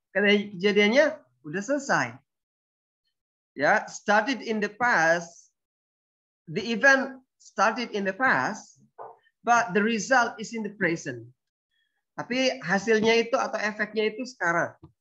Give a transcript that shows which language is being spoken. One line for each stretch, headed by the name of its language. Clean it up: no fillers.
Indonesian: Karena kejadiannya sudah selesai.
English: Ya, started in the past, the event started in the past, but the result is in the present.
Indonesian: Tapi hasilnya itu atau efeknya itu sekarang.